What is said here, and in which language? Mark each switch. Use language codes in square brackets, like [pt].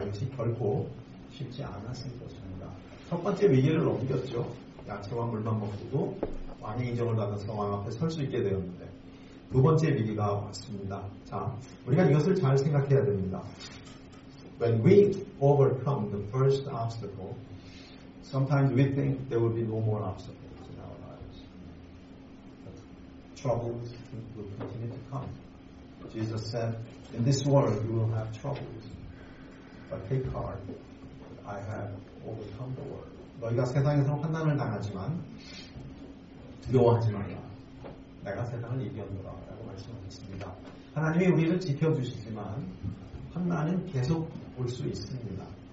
[ko] 이것이 결코 쉽지 않았을 것입니다. 첫 번째 위기를 넘겼죠. 야채와 물만 먹고도 왕의 인정을 받아서 왕 앞에 설 수 있게 되었는데 두 번째 위기가 왔습니다. 자, 우리가 이것을 잘 생각해야 됩니다. [en] When we overcome the first obstacle, sometimes we think there will be no more obstacles in our lives. But troubles will continue to come. Jesus said, in this world you will have troubles. But take heart, I have overcome the world. [ko] 너희가 세상에서 환난을 당하지만 두려워하지 말라. 내가 세상을 이겼노라 라고 말씀하셨습니다. 하나님이 우리를 지켜주시지만 환난은 계속 올 수 있습니다.